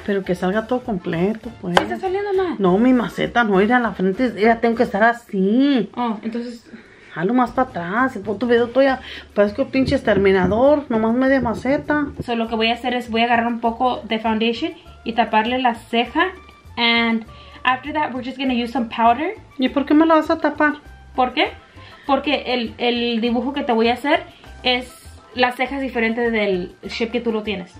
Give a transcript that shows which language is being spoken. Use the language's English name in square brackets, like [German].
[Spanish] Pero que salga todo completo, pues. ¿Sí está saliendo mal? No, mi maceta, no, ir a la frente, ya tengo que estar así. Oh, entonces. Jalo más para atrás, el puto video todavía. Parece que pinche exterminador, nomás media maceta. So lo que voy a hacer es voy a agarrar un poco de foundation y taparle la ceja. [English] And after that, we're just gonna use some powder. [Spanish] ¿Y por qué me la vas a tapar? ¿Por qué? Porque el dibujo que te voy a hacer es las cejas diferentes del shape que tú lo tienes.